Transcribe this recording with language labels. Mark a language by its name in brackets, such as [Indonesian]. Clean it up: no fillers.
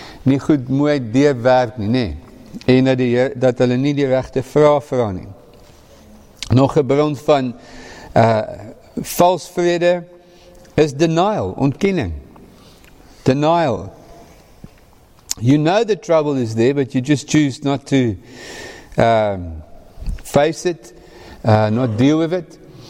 [Afrikaans] Nie goed mooi deurwerk nie, nee. En dat hulle nie die regte vraag vra nie. Nog een bron van vals vrede is denial, ontkenning. [English] Denial. You know the trouble is there, but you just choose not to face it, not deal with it.